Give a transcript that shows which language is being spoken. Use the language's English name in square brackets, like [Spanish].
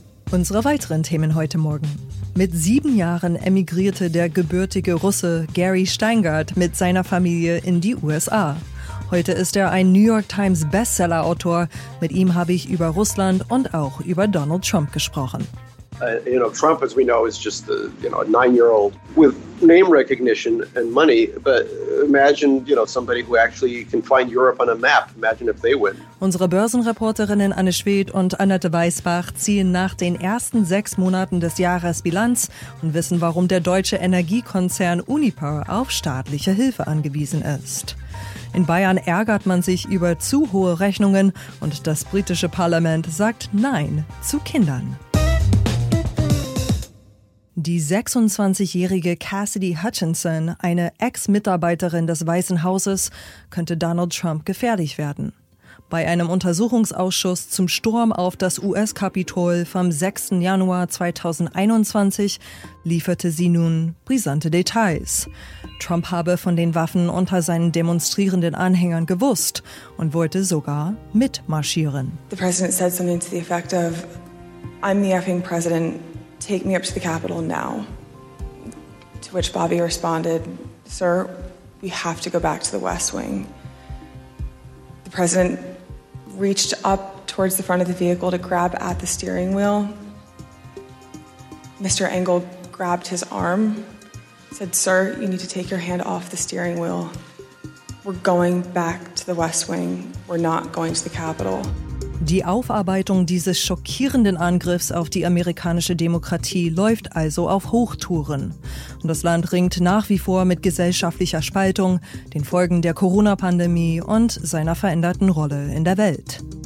[German] Unsere weiteren Themen heute Morgen. Mit 7 Jahren emigrierte der gebürtige Russe Gary Steingart mit seiner Familie in die USA. Heute ist er ein New York Times Bestseller-Autor. Mit ihm habe ich über Russland und auch über Donald Trump gesprochen. [English] Trump, as we know, is just a 9-year-old with name recognition and money. But imagine, somebody who actually can find Europe on a map. Imagine if they win. [German] Unsere Börsenreporterinnen Anne Schwedt und Annette Weisbach ziehen nach den ersten 6 Monaten des Jahres Bilanz und wissen, warum der deutsche Energiekonzern Uniper auf staatliche Hilfe angewiesen ist. In Bayern ärgert man sich über zu hohe Rechnungen und das britische Parlament sagt Nein zu Kindern. Die 26-jährige Cassidy Hutchinson, eine Ex-Mitarbeiterin des Weißen Hauses, könnte Donald Trump gefährlich werden. Bei einem Untersuchungsausschuss zum Sturm auf das US-Kapitol vom 6. Januar 2021 lieferte sie nun brisante Details. Trump habe von den Waffen unter seinen demonstrierenden Anhängern gewusst und wollte sogar mitmarschieren. [English] The president said something to the effect of, I'm the effing president. Take me up to the Capitol now. To which Bobby responded, Sir, we have to go back to the West Wing. The president reached up towards the front of the vehicle to grab at the steering wheel. Mr. Engel grabbed his arm, said, Sir, you need to take your hand off the steering wheel. We're going back to the West Wing. We're not going to the Capitol. [German] Die Aufarbeitung dieses schockierenden Angriffs auf die amerikanische Demokratie läuft also auf Hochtouren. Und das Land ringt nach wie vor mit gesellschaftlicher Spaltung, den Folgen der Corona-Pandemie und seiner veränderten Rolle in der Welt.